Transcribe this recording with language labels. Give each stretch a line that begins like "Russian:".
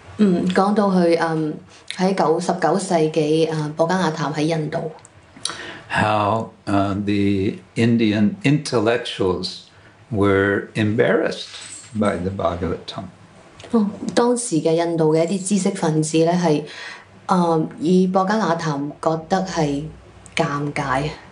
Cantonese: 講到去喺19世紀博加瓦談喺印度。
English: How the Indian intellectuals were embarrassed by the Bhagavatam.
Cantonese: 當時嘅印度嘅一啲知識分子咧係以博加瓦談覺得係尷尬。